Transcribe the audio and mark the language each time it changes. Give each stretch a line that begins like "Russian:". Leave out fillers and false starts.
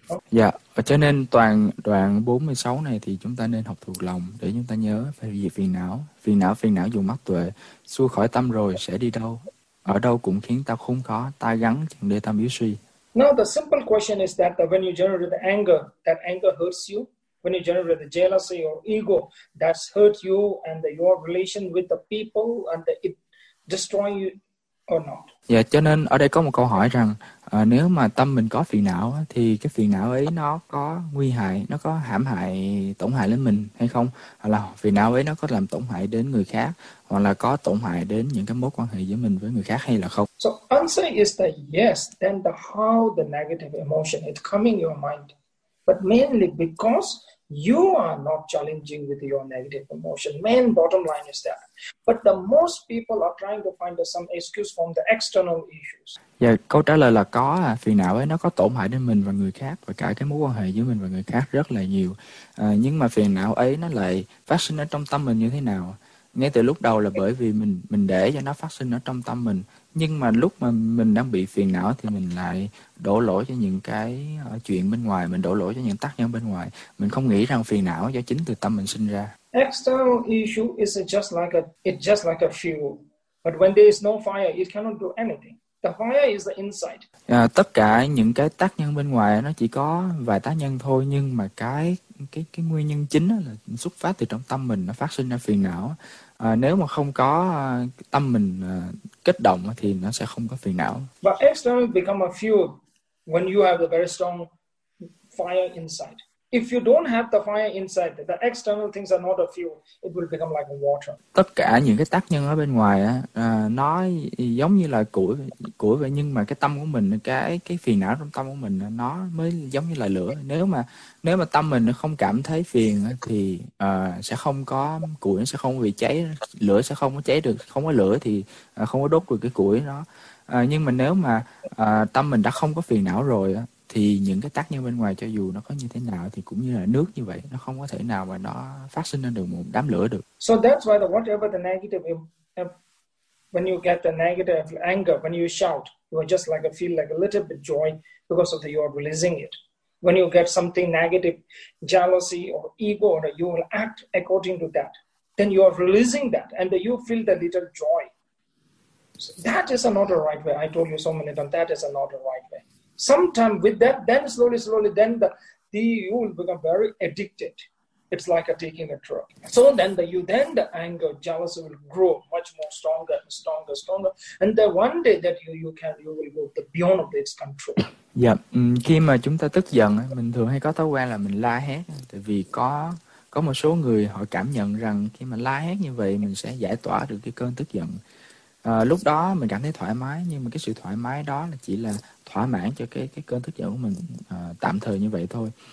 Vietnamese: Dạ, cho nên toàn đoạn 46 này thì chúng ta nên học thuộc lòng để chúng ta nhớ phải diệt phiền não. Phiền não dùng mắt tuệ xua khỏi tâm rồi sẽ đi đâu? Ở đâu cũng khiến ta khốn khó, ta gắn chẳng để tâm yếu suy.
English: Now the simple question is that when you generate the anger, that anger hurts you. When you generate the jealousy or ego, that's hurt you and your relation with the people, and it destroy you
Vietnamese: Yeah, cho nên ở đây có một câu hỏi rằng nếu mà tâm mình có phiền não thì cái phiền não ấy nó có nguy hại, nó có hãm hại, tổn hại đến mình hay không? Hoặc là phiền não ấy nó có làm tổn hại đến người khác, hoặc là có tổn hại đến những cái mối quan hệ giữa mình với người khác hay là không?
English: So answer is that yes, then the how the negative emotion is coming in your mind. But mainly because you are not challenging with your negative emotion. Main bottom line is that. But the most people are trying to find some excuse from the external issues.
Vietnamese: Yeah, câu trả lời là có, phiền não ấy nó có tổn hại đến mình và người khác và cả cái mối quan hệ giữa mình và người khác rất là nhiều. Nhưng mà phiền não ấy nó lại phát sinh ở trong tâm mình như thế nào? Ngay từ lúc đầu là bởi vì mình để cho nó phát sinh ở trong tâm mình. Nhưng mà lúc mà mình đang bị phiền não thì mình lại đổ lỗi cho những cái chuyện bên ngoài, mình đổ lỗi cho những tác nhân bên ngoài. Mình không nghĩ rằng phiền não do chính từ tâm mình sinh ra.
English: External issue is just like a fuel. But when there is no fire, it cannot do anything. The fire is the inside.
Vietnamese: Tất cả những cái tác nhân bên ngoài nó chỉ có vài tác nhân thôi, nhưng mà cái nguyên nhân chính là xuất phát từ trong tâm mình, nó phát sinh ra phiền não. Nếu mà không có tâm mình kích động thì nó sẽ không có phiền não.
English: But external become a fuel when you have a very strong fire inside. If you don't have the fire inside, the external things are not a fuel. It will become like water.
Vietnamese: Tất cả những cái tác nhân ở bên ngoài nó giống như là củi vậy, nhưng mà cái tâm của mình, cái phiền não trong tâm của mình nó mới giống như là lửa. Nếu mà tâm mình nó không cảm thấy phiền thì sẽ không có củi, sẽ không bị cháy, lửa sẽ không có cháy được, không có lửa thì không có đốt được cái củi đó. Nhưng mà nếu mà tâm mình đã không có phiền não rồi thì những cái tác nhân bên ngoài cho dù nó có như thế nào thì cũng như là nước như vậy, nó không có thể nào mà nó phát sinh lên được một đám lửa được.
English: So that's why the whatever the negative, when you get the negative anger, when you shout, you are just like a feel like a little bit joy because of the, you are releasing it. When you get something negative, jealousy or ego, or you will act according to that, then you are releasing that and you feel the little joy. So that is not a right way. I told you so many times, that is not a right way. Sometime with that, then slowly, then the you will become very addicted. It's like a taking a drug. So then the anger, jealousy will grow much more stronger. And then one day that you will go beyond its control.
Vietnamese: Khi mà chúng ta tức giận, mình thường hay có thói quen là mình la hét. Tại vì có một số người họ cảm nhận rằng khi mà la hét như vậy, mình sẽ giải tỏa được cái cơn tức giận. Lúc đó mình cảm thấy thoải mái, nhưng mà cái sự thoải mái đó là chỉ là thỏa mãn cho cái cơn tức giận của mình tạm thời như vậy thôi.